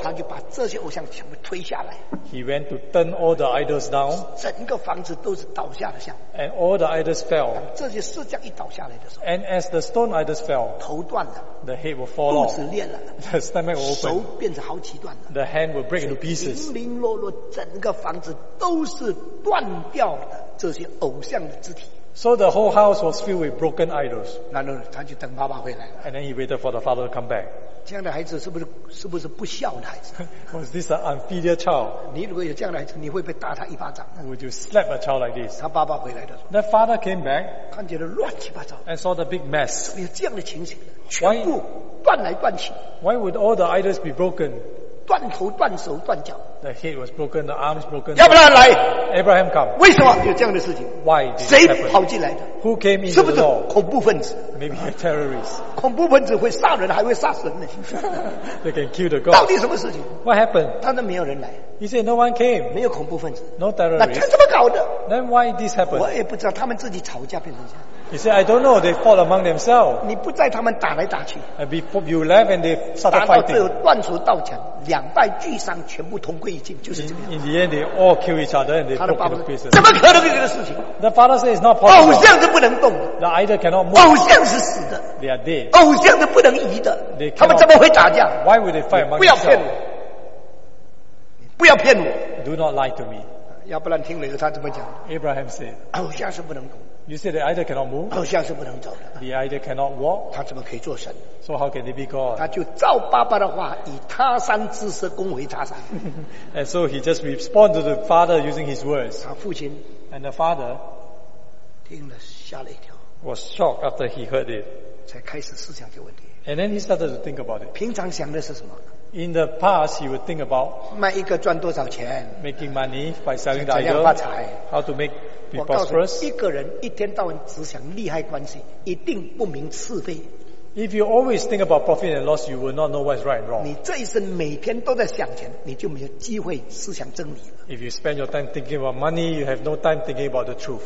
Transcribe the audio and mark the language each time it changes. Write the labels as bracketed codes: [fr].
[zh] 他就把这些偶像全部推下来。 [en] He went to turn all the idols down. [zh] 整个房子都是倒下的像。 [en] And all the idols fell. [zh] 这些石像一倒下来的时候, [en] and as the stone idols fell, [zh] 头断了, [en] the head will fall off, [zh] 肚子裂了, [en] the stomach will open, [zh] 手变成好几段了, [en] the hand will break into pieces. [zh] 零零落落, 整个房子都是断掉的, 这些偶像的肢体。 [en] So the whole house was filled with broken idols. [zh] 然后他就等爸爸回来了, [en] and then he waited for the father to come back. [zh] 这样的孩子是不是不孝的孩子? [en] Was this an unfilial child? [zh] 你如果有这样的孩子, 你会不会打他一巴掌? [en] Would you slap a child like this? [zh] 他爸爸回来的时候, [en] the father came back, [zh] 看见了乱七八糟, [en] and saw the big mess. [zh] 怎么有这样的情形?全部断来断去, [en] why would all the idols be broken? [zh] 断头断手断脚, [en] the head was broken, the arms broken. [zh] 亚伯兰来, [en] Abraham come. [zh] 为什么有这样的事情? [en] Why? [zh] 谁跑进来的? [en] Who came in? [zh] 是不是恐怖分子? [en] Maybe a terrorist. [zh] 恐怖分子会杀人还会杀神呢? [en] They can kill the God. [zh] 到底什么事情? [en] What happened? [zh] 他说没有人来, [en] he said no one came. [zh] 没有恐怖分子, [en] no terrorist. [zh] 那他怎么搞的? [en] Then why this happened? [zh] 我也不知道, 他们自己吵架变成这样。 [en] He said, I don't know, they fought among themselves. [zh] 你不在他们打来打去, [en] and before you left and they started fighting, [zh] 打到最后断手到脚, 两败俱伤, 全部同归于尽, 就是这样。 [en] In the end, they all kill each other and they broke into pieces. [zh] 怎么可能有这个事情? [en] The father said it's not possible. [zh] 偶像是不能动, [en] the idol cannot move. [zh] 偶像是死的, [en] they are dead. [zh] 偶像是不能移的, [en] they cannot, [zh] 他们怎么会打架? [en] Why would they fight among themselves? [zh] 不要骗我, 不要骗我, [en] do not lie to me. [zh] 亚伯兰听了以后他怎么讲? [en] Abraham said, [zh] 偶像是不能动, [en] You say the idol cannot move. [zh] 偶像是不能走的。 [en] The idol cannot walk. [zh] 他怎么可以做神？ [en] So how can he be God? [zh] 他就照爸爸的话，以他山之石攻回他山。 [en] And so he just responded to the father using his words. [zh] 他父亲。 [en] And the father. [zh] 听了吓了一跳。 [en] Was shocked after he heard it. [zh] 才开始思想这个问题。 [en] And then he started to think about it. [zh] 平常想的是什么？ [en] In the past, he would think about [zh] 卖一个赚多少钱 [en] making money by selling the idol, [zh] 怎样发财 [en] how to make be prosperous. [zh] 我告诉一个人一天到晚只想利害关系，一定不明是非。 [en] If you always think about profit and loss, you will not know what is right and wrong. [zh] 你这一生每天都在想钱，你就没有机会思想真理了。 [en] If you spend your time thinking about money, you have no time thinking about the truth.